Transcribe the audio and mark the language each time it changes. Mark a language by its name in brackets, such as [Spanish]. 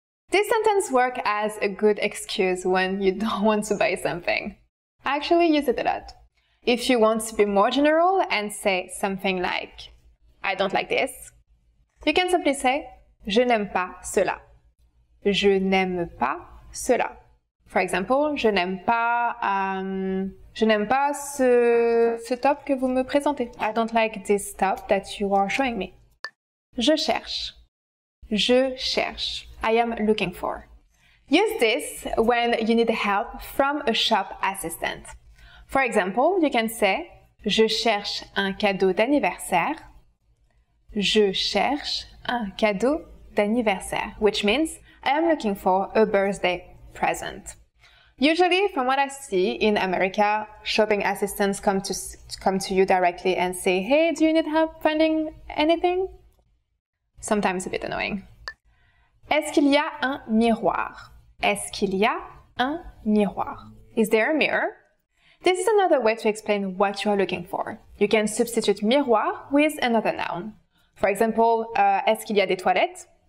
[English] This sentence works as a good excuse when you don't want to buy something. I actually use it a lot. If you want to be more general and say something like I don't like this, you can simply say [French] je n'aime pas cela. Je n'aime pas cela. [English] For example, [French] je n'aime pas ce top que vous me présentez. [English] I don't like this top that you are showing me. [French] Je cherche. Je cherche. [English] I am looking for. Use this when you need help from a shop assistant. For example, you can say [French] je cherche un cadeau d'anniversaire. Je cherche un cadeau d'anniversaire, [English] which means I am looking for a birthday present. Usually, from what I see in America, shopping assistants come to you directly and say, hey, do you need help finding anything? Sometimes a bit annoying. [French] Est-ce qu'il y a un miroir? Est-ce qu'il y a un miroir? [English] Is there a mirror? This is another way to explain what you are looking for. You can substitute miroir with another noun. For example, [French] est-ce qu'il y a des toilettes?